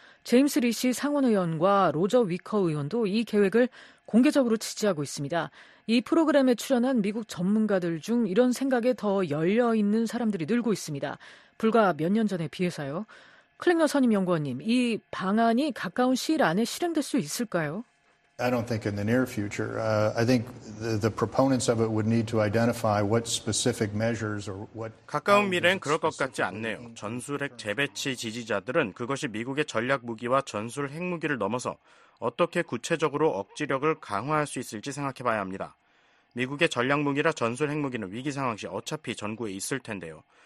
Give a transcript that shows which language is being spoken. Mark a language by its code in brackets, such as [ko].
[ko] 제임스 리시 상원의원과 로저 위커 의원도 이 계획을 공개적으로 지지하고 있습니다. 이 프로그램에 출연한 미국 전문가들 중 이런 생각에 더 열려있는 사람들이 늘고 있습니다. 불과 몇 년 전에 비해서요. 클랭너 선임 연구원님, 이 방안이 가까운 시일 안에 실행될 수 있을까요? [en] I don't think in the near future. I think the proponents of it would need to identify what specific measures or what [ko] 가까운 미래엔 그럴 것 같지 않네요. 전술핵 재배치 지지자들은 그것이 미국의 전략 무기와 전술 핵무기를 넘어서 어떻게 구체적으로 억지력을 강화할 수 있을지 생각해 봐야 합니다. 미국의 전략 무기라 전술 핵무기는 위기 상황 시 어차피 전구에 있을 텐데요.